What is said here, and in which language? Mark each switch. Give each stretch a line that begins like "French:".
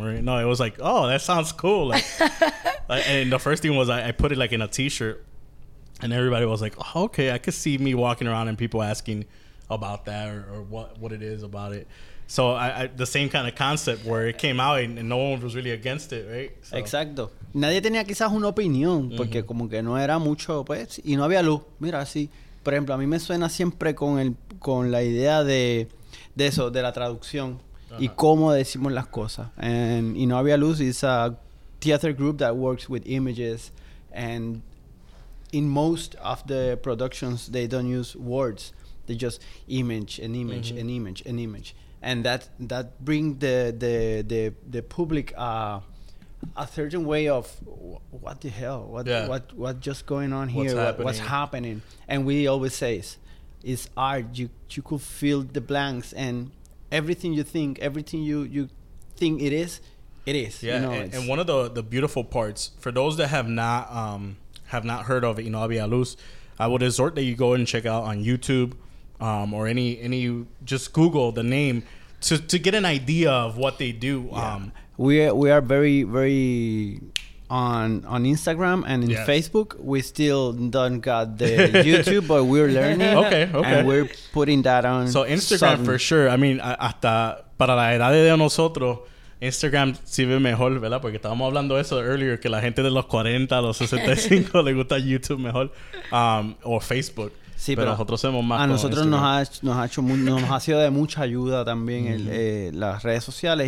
English: Or, no, it was like, oh, that sounds cool. Like, and the first thing was I put it, like, in a T-shirt, and everybody was like, oh, okay, I could see me walking around and people asking about that or what it is about it. So I the same kind of concept where it came out and no one was really against it, right? So.
Spanish: Exacto. Nadie tenía quizás una opinión porque como que no era mucho, pues, y no había luz. Mira, sí. Por ejemplo, a mí me suena siempre con la idea de eso, de la traducción. Uh-huh. y cómo decimos las cosas.
English: And, y No Había Luz is a theater group that works with images, and in most of the productions they don't use words, they just image and image and image and image, and that bring the public a certain way of what the hell, what just going on here, what's happening. And we always say it's art. You could fill the blanks, and everything you think it is, it is. Yeah, you know, and one of the beautiful parts, for those that have not heard of No Había Luz, I would exhort that you go and check out on YouTube, or any just Google the name to get an idea of what they do. Yeah. We are very, very on Instagram and in Facebook. We still don't got the YouTube, but we're learning. Okay. And we're putting that on. So Instagram, something. For sure.
Spanish: I mean, hasta para la edad de nosotros, Instagram sirve mejor, ¿verdad? Porque estábamos hablando eso
English: earlier,
Spanish: que la gente de los 40, los 65, le gusta YouTube mejor, o Facebook. Sí, pero nosotros somos más. A nosotros nos ha sido de mucha ayuda también las redes sociales.